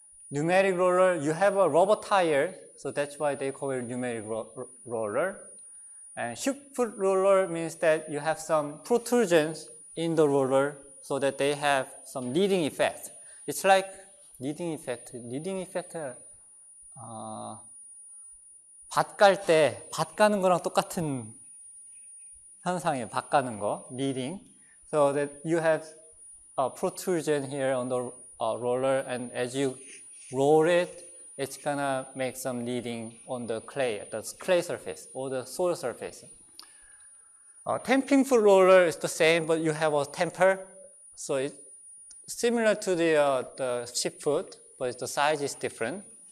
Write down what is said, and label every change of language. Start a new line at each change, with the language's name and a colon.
English: Pneumatic roller, you have a rubber tire, so that's why they call it pneumatic roller. And shoot foot roller means that you have some protrusions in the roller so that they have some kneading effect. It's like kneading effect. Kneading effect,
Korean: 밭 갈 때 밭 가는 거랑 똑같은 현상이에요. 밭 가는 거, leading.
English: So that you have a protrusion here on the roller, and as you roll it, it's gonna make some leading on the clay, the clay surface or the soil surface. Tamping foot roller is the same, but you have a tamper, so it's similar to the sheep foot, but the size is different.